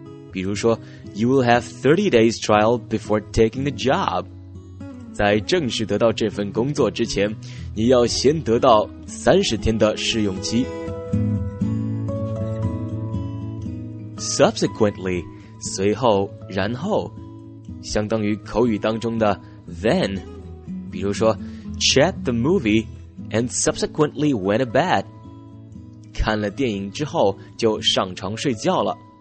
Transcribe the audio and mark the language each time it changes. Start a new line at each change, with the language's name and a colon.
Chinese: 比如说
English: ,You will have 30 days trial before taking the job.
Chinese: 在正式得到这份工作之前,你要先得到30天的试用期。 Subsequently, 随后,然后,相当于口语当中的 then。比如说
English: ,check the movie and subsequently went to bed.
Chinese: 看了电影之后就上床睡觉了。